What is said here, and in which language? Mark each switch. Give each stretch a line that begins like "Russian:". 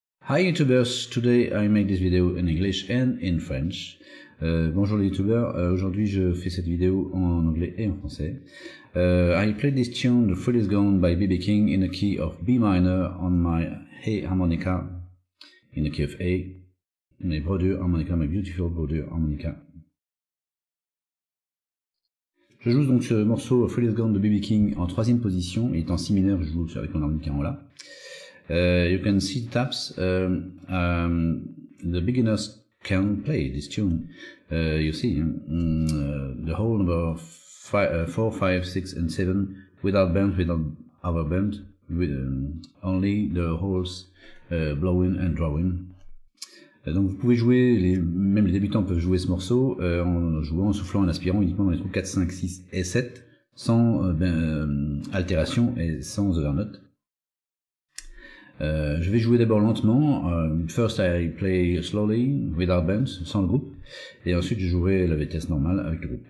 English: Hi YouTubers, today I make this video in English and in French.
French: Bonjour les YouTubers, aujourd'hui je fais cette vidéo en anglais et en français.
English: I played this tune, The Fool Is Gone by B.B.King in the key of B minor on my harmonica, in the key of A, my brodure harmonica, my beautiful brodure harmonica.
French: Je joue donc ce morceau The Fool Is Gone de B.B.King en troisième position, il est en si mineur, je joue avec mon harmonica en la.
English: You can see the tabs. The beginners can play this tune. You see the whole number of 4, 5, 6, and 7 without bend, without other bend, with only the holes blowing and drawing.
French: Donc vous pouvez jouer, même les débutants peuvent jouer ce morceau en jouant, en soufflant, en aspirant uniquement dans les trous 4, 5, 6 et 7 sans altération et sans overnote. Je vais jouer d'abord lentement.
English: First I play slowly without bends,
French: sans le groupe, et ensuite je jouerai la vitesse normale avec le groupe.